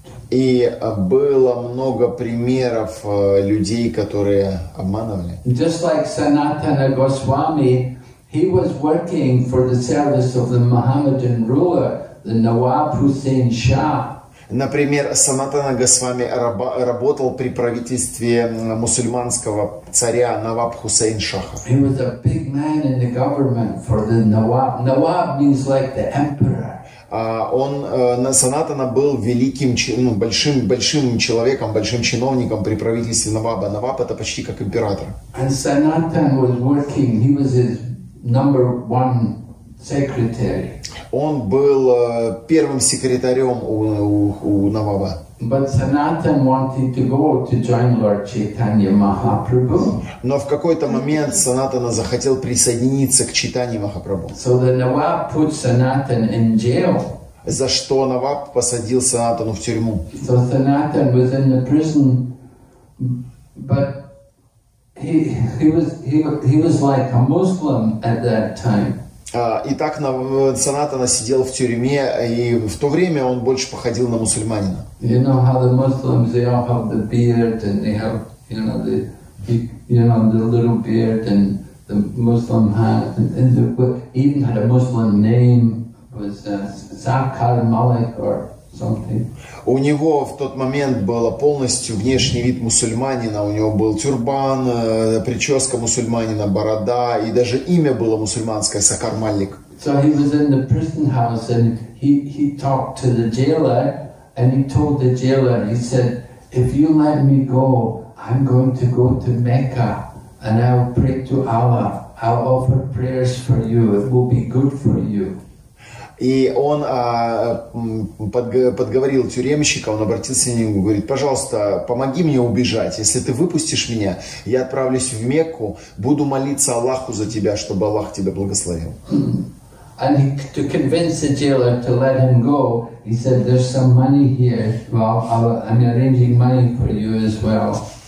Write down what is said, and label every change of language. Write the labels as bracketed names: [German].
[Russian] И было много примеров людей, которые обманывали. [English] Just like Sanatana Goswami, he was working for the service of the Mohammedan ruler. Nawab Hussain Shah. [Russian] Например, Санатана Госвами работал при правительстве мусульманского царя Наваб Хусейн Шаха. [English] He was a big man in the government for the Nawab. Nawab means like the emperor. [Russian] Санатана был великим, большим человеком, большим чиновником при правительстве Наваба. Наваб это почти как император. [English] And Sanatan was working. He was his number one secretary. [Russian] Он был первым секретарем у Наваба. [English] But Sanatan wanted to go to join Lord Chaitanya Mahaprabhu. [Russian] Но в какой-то момент Санатана захотел присоединиться к Чайтанье Махапрабху. [English] So the Nawab put Sanatan in jail. [Russian] За что Наваб посадил Санатану в тюрьму. [English] So Sanatan was in the prison, but he was like a Muslim at that time. [Russian] Итак, Санатана сидел в тюрьме, и в то время он больше походил на мусульманина. [English] You know how the Muslims, they all have the beard, and they have, the little beard, and the Muslim hat, and the even had a Muslim name, was Zakar Malik, or something. [Russian] У него в тот момент был полностью внешний вид мусульманина. У него был тюрбан, прическа мусульманина, борода, и даже имя было мусульманское, Сакар Малик. [English] So he was in the prison house, and he talked to the jailer, and he told the jailer, he said, if you let me go, I'm going to go to Mecca, and I'll pray to Allah. I'll offer prayers for you. It will be good for you. [Russian] И он подговорил тюремщика, он обратился к нему, говорит, пожалуйста, помоги мне убежать. Если ты выпустишь меня, я отправлюсь в Мекку, буду молиться Аллаху за тебя, чтобы Аллах тебя благословил. [English] And to convince the jailer to let him go, he said, there's some money here. Well, I'm arranging money for you as well.